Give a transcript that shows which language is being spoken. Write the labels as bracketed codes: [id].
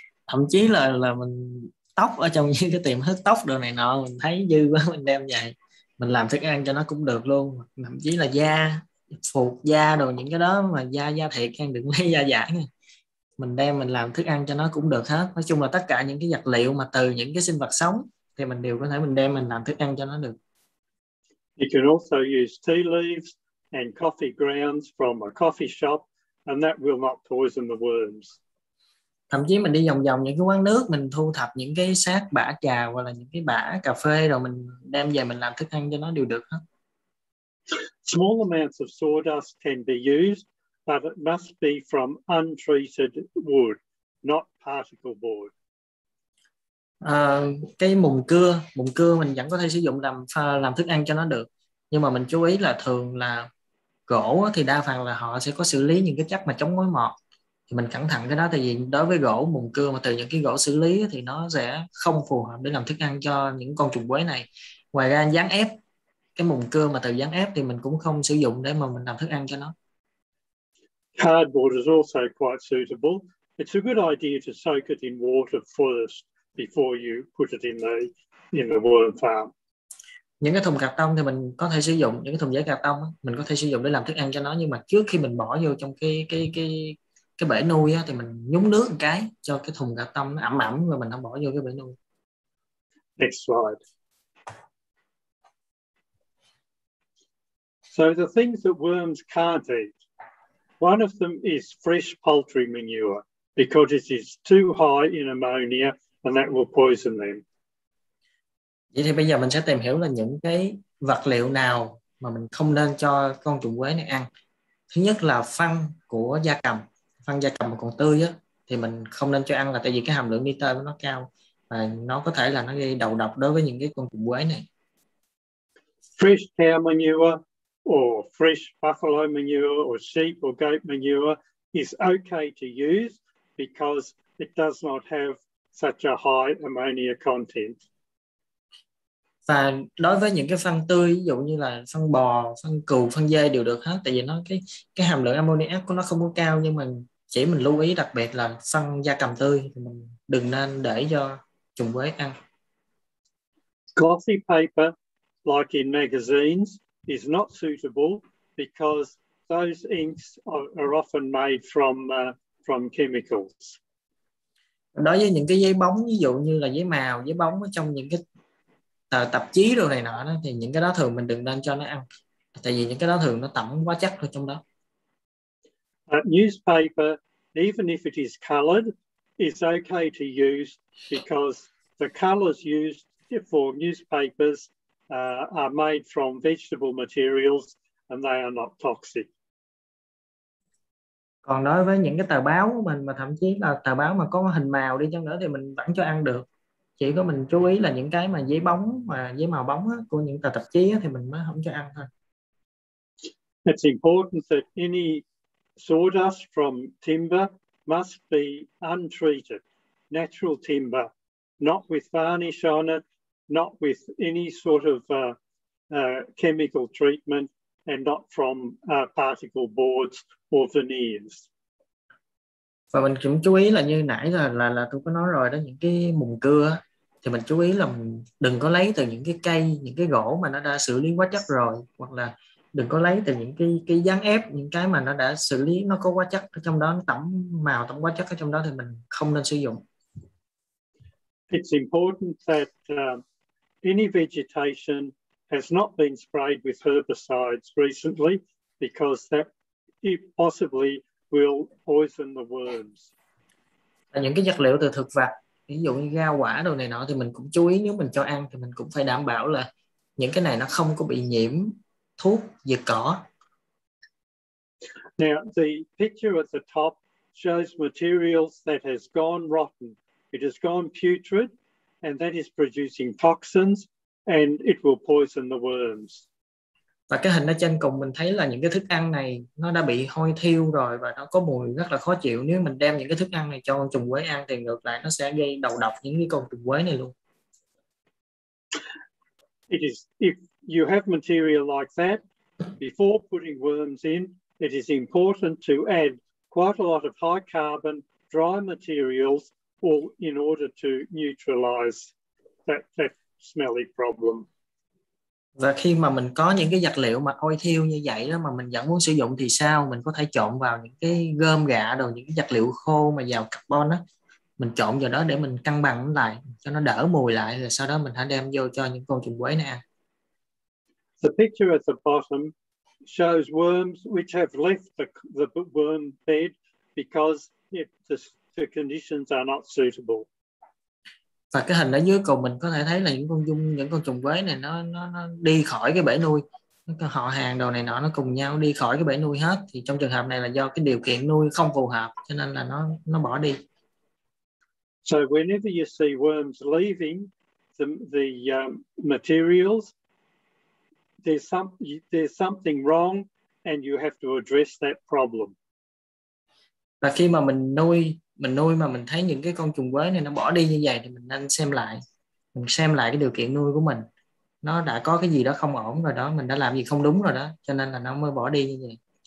[vi] Thậm chí là mình tóc ở trong những cái tiệm hớt tóc đồ này nọ, mình thấy dư quá mình đem vậy mình làm thức ăn cho nó cũng được luôn. Thậm chí là da phục, da đồ, những cái đó mà da da thiệt ăn đừng lấy da giả, mình đem mình làm thức ăn cho nó cũng được hết. Nói chung là tất cả những cái vật liệu mà từ những cái sinh vật sống thì mình đều có thể mình đem mình làm thức ăn cho nó được. [en] You can also use tea leaves and coffee grounds from a coffee shop and that will not poison the worms. [vi] Thậm chí mình đi vòng vòng những cái quán nước, mình thu thập những cái xác bã trà hoặc là những cái bã cà phê rồi mình đem về mình làm thức ăn cho nó đều được hết. [en] Small amounts of sawdust can be used, but it must be from untreated wood, not particle board. [vi] Cái mùn cưa mình vẫn có thể sử dụng làm thức ăn cho nó được, nhưng mà mình chú ý là thường là gỗ thì đa phần là họ sẽ có xử lý những cái chất mà chống mối mọt, thì mình cẩn thận cái đó, tại vì đối với gỗ mùn cưa mà từ những cái gỗ xử lý thì nó sẽ không phù hợp để làm thức ăn cho những con trùng quế này. Ngoài ra dán ép, cái mùn cưa mà từ dán ép thì mình cũng không sử dụng để mà mình làm thức ăn cho nó. [en] Cardboard is also quite suitable. It's a good idea to soak it in water first before you put it in the worm farm. [vi] Những cái thùng cà tông thì mình có thể sử dụng, những cái thùng giấy cà tông mình có thể sử dụng để làm thức ăn cho nó, nhưng mà trước khi mình bỏ vô trong cái bể nuôi thì mình nhúng nước một cái cho cái thùng cà tông nó ẩm và mình không bỏ vô cái bể nuôi. [en] Next slide. So the things that worms can't eat. One of them is fresh poultry manure because it is too high in ammonia and that will poison them. [vi] Vậy thì bây giờ mình sẽ tìm hiểu là những cái vật liệu nào mà mình không nên cho con trùng quế này ăn. Thứ nhất là phân của gia cầm. Phân gia cầm mà còn tươi á thì mình không nên cho ăn, là tại vì cái hàm lượng nitơ của nó cao và nó có thể là nó gây đầu độc đối với những cái con trùng quế này. [en] Fresh cow manure or fresh buffalo manure or sheep or goat manure is okay to use because it does not have such a high ammonia content. [vi] Và đối với những cái phân tươi, ví dụ như là phân bò, phân cừu, phân dê đều được hết, tại vì nó cái hàm lượng ammonia của nó không có cao, nhưng mà chỉ mình lưu ý đặc biệt là phân gia cầm tươi thì mình đừng nên để cho trùng quế ăn. [en] Glossy paper like in magazines is not suitable because those inks are often made from chemicals. [vi] Đối với những cái giấy bóng, ví dụ như là giấy màu, giấy bóng ở trong những cái tờ tạp chí đồ này nọ đó, thì những cái đó thường mình đừng nên cho nó ăn, tại vì những cái đó thường nó tẩm quá chất ở trong đó. [en] Newspaper, even if it is colored, is okay to use because the colors used for newspapers are made from vegetable materials and they are not toxic. [vi] Còn đối với những cái tờ báo của mình, mà thậm chí là tờ báo mà có hình màu đi chăng nữa thì mình vẫn cho ăn được. Chỉ có mình chú ý là những cái mà giấy bóng, mà giấy màu bóng á, của những tờ tạp chí á, thì mình mới không cho ăn thôi. [en] It's important that any sawdust from timber must be untreated, natural timber, not with varnish on it, not with any sort of chemical treatment, and not from particle boards or veneers. [vi] Và mình cũng chú ý là như nãy là tôi có nói rồi đó, những cái mùn cưa thì mình chú ý là mình đừng có lấy từ những cái cây, những cái gỗ mà nó đã xử lý quá chất rồi, hoặc là đừng có lấy từ những cái dán ép, những cái mà nó đã xử lý nó có quá chất ở trong đó, nó tẩm màu, tẩm quá chất ở trong đó thì mình không nên sử dụng. [en] It's important that any vegetation has not been sprayed with herbicides recently because that it possibly will poison the worms. [vi] Những cái vật liệu từ thực vật, ví dụ như rau quả đồ này nọ, thì mình cũng chú ý nếu mình cho ăn thì mình cũng phải đảm bảo là những cái này nó không có bị nhiễm thuốc diệt cỏ. [en] Now the picture at the top shows materials that has gone rotten. It has gone putrid and that is producing toxins and it will poison the worms. [vi] Và cái hình ở trên cùng mình thấy là những cái thức ăn này nó đã bị hôi thiêu rồi và nó có mùi rất là khó chịu. Nếu mình đem những cái thức ăn này cho con trùng quế ăn thì ngược lại nó sẽ gây đầu độc những cái con trùng quế này luôn. [en] It is, if you have material like that, before putting worms in, it is important to add quite a lot of high carbon dry materials all in order to neutralize that, that smelly problem. [vi] Và khi mà mình có những cái vật liệu mà hôi thiêu như vậy đó mà mình vẫn muốn sử dụng thì sao? Mình có thể trộn vào những cái gơm gạ đồ, những cái vật liệu khô mà giàu carbon đó. Mình trộn vào đó để mình cân bằng lại cho nó đỡ mùi lại, rồi sau đó mình hãy đem vô cho những con trùng quế nè. [en] The picture at the bottom shows worms which have left the worm bed because it, the conditions are not suitable. [vi] Và cái hình ở dưới cùng mình có thể thấy là những con trùng quế này nó đi khỏi cái bể nuôi. Họ hàng đồ này nọ nó cùng nhau đi khỏi cái bể nuôi hết, thì trong trường hợp này là do cái điều kiện nuôi không phù hợp cho nên là nó bỏ đi. [en] So whenever you see worms leaving the materials, there's something wrong and you have to address that problem. [vi] Và khi mà mình nuôi mà mình thấy những cái con trùng quế này nó bỏ đi như vậy thì mình nên xem lại cái điều kiện nuôi của mình, nó đã có cái gì đó không ổn rồi đó, mình đã làm gì không đúng rồi đó, cho nên là nó mới bỏ đi như vậy.